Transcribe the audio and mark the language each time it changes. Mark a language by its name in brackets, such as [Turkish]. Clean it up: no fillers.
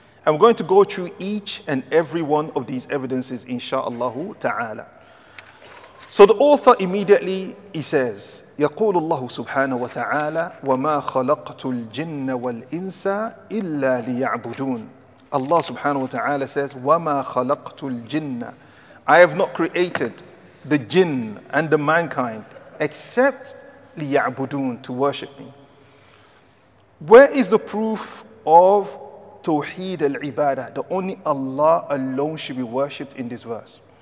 [English] I'm going to go through each and every one of these evidences, inshallah ta'ala. So the author immediately, he says, [Arabic] يقول الله سبحانه وتعالى وما خلقت الجن والإنس إلا ليعبدون. [English] Allah subhanahu wa ta'ala says, [Arabic] وما خلقت الجن. [English] I have not created the jinn and the mankind except ليعبدون, to worship me. Where is the proof of Tawheed al-Ibadah, that only Allah alone should be worshipped in this verse?